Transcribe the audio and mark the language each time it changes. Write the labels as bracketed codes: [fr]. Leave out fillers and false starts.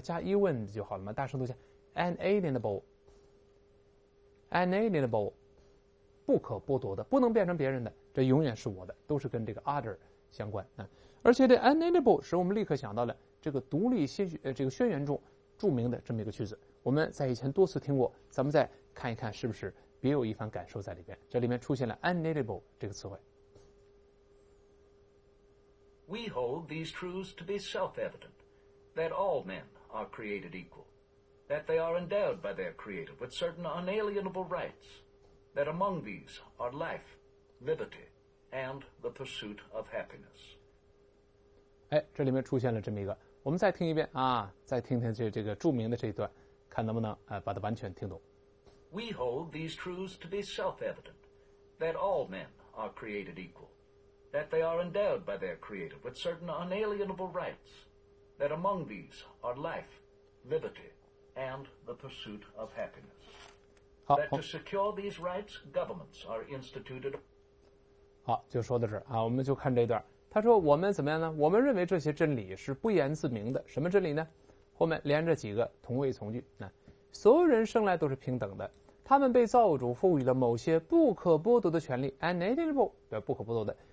[zh] 加 even 就好了嘛。大声读一下 unalienable， 不可剥夺的、不能变成别人的，这永远是我的，都是跟这个 other 相关。而且这 unalienable 使我们立刻想到了这个独立宣言中著名的这么一个句子，我们在以前多次听过，咱们再看一看是不是别有一番感受在里边。这里面出现了 unalienable 这个词汇。 [en] We hold these truths to be self-evident, that all men are created equalthat they are endowed by their Creator with certain unalienable rights, that among these are life, liberty, and the pursuit of happiness. [zh] 这里面出现了这么一个，我们再听一遍啊，再听听这个著名的这一段，看能不能把它完全听懂。 [en] We hold these truths to be self-evident, that all men are created equal, that they are endowed by their Creator with certain unalienable rights, that among these are life, liberty, and the pursuit of happiness. That to secure these rights, governments are instituted. [zh] 好，就说到这儿啊，我们就看这段。他说我们怎么样呢？我们认为这些真理是不言自明的。什么真理呢？后面连着几个同位从句。所有人生来都是平等的，他们被造物主赋予了某些不可剥夺的权利 ，unalienable， 不可剥夺的。